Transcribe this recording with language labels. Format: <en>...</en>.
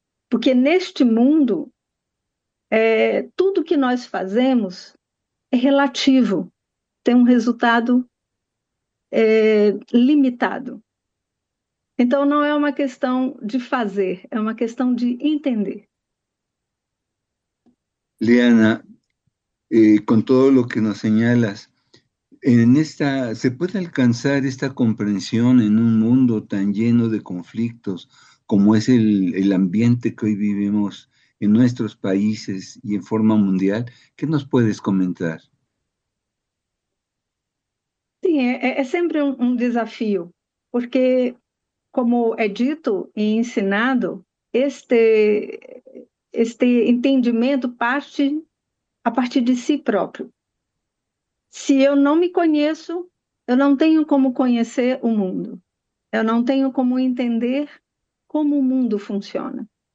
<pt>Porque neste mundo, tudo que nós fazemos é relativo, tem um resultado, limitado. Então, não é uma questão de fazer, é uma questão de entender.</pt> <es>Liana, con todo lo que nos señalas, ¿se puede alcanzar esta comprensión en un mundo tan lleno de conflictos como es el ambiente que hoy vivimos en nuestros países y en forma mundial? ¿Qué nos puedes comentar?</es> <pt>É sempre um desafio, porque, como é dito e ensinado, este entendimento parte a partir de si próprio. Se eu não me conheço, eu não tenho como conhecer o mundo, eu não tenho como entender como o mundo funciona.</pt>